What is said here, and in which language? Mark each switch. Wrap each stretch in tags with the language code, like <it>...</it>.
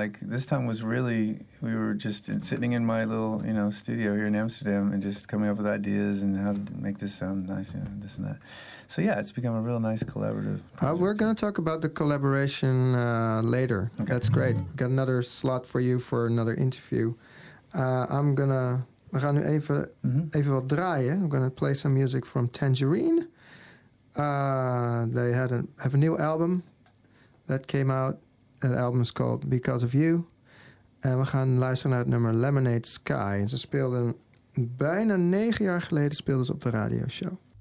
<en>Like, this time was really, we were just sitting in my little, you know, studio here in Amsterdam and just coming up with ideas and how to make this sound nice, you know, this and that. So, yeah, it's become a real nice collaborative project. We're going to talk about the collaboration later. Okay. That's great. Got another slot for you for another interview.</en> <nl>We gaan nu even, even wat draaien.</nl> <en>I'm going to play some music from Tangerine. They have a new album that came out. That album is called Because of You.</en> <nl>En we gaan luisteren naar het nummer Lemonade Sky. En ze speelden bijna 9 jaar geleden speelden ze op de radio show.</nl>